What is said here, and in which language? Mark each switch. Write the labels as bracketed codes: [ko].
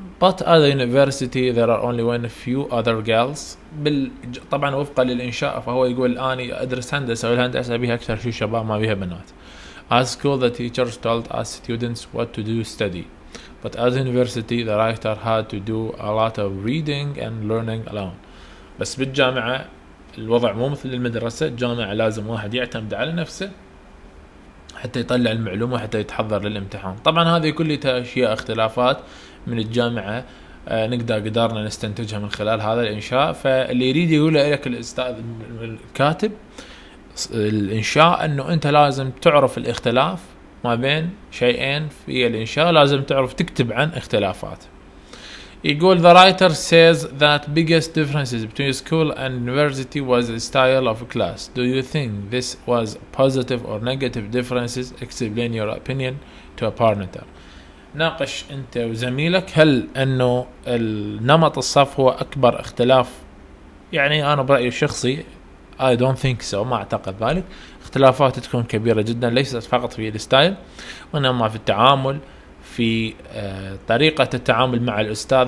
[en] But at the university there are only one few other girls. [ar] طبعا وفقا للإنشاء فهو يقول أنا أدرس هندسة والهندسة بيها أكثر شيء شباب ما بيها بنات. [en] At school the teachers told us students what to do study. But at the university the writer had to do a lot of reading and learning alone. [ar] بس بالجامعة الوضع مو مثل المدرسة، الجامعة لازم واحد يعتمد على نفسه حتى يطلع المعلومة وحتى يتحضر للامتحان. طبعا هذه كلها أشياء اختلافات من الجامعة نقدر قدرنا نستنتجها من خلال هذا الإنشاء. فاللي يريد يقوله لك الأستاذ الكاتب الإنشاء أنه أنت لازم تعرف الاختلاف ما بين شيئين في الإنشاء، لازم تعرف تكتب عن اختلافات. [en] يقول the writer says that biggest differences between school and university was the style of class. Do you think this was positive or negative differences? Explain your opinion to a partner. [ar] ناقش انت وزميلك هل انه النمط الصف هو اكبر اختلاف. يعني انا برأيي الشخصي [en] I don't think so، [ar] ما اعتقد ذلك. اختلافات تكون كبيرة جدا، ليست فقط في الستايل وانما في التعامل، في طريقة التعامل مع الأستاذ.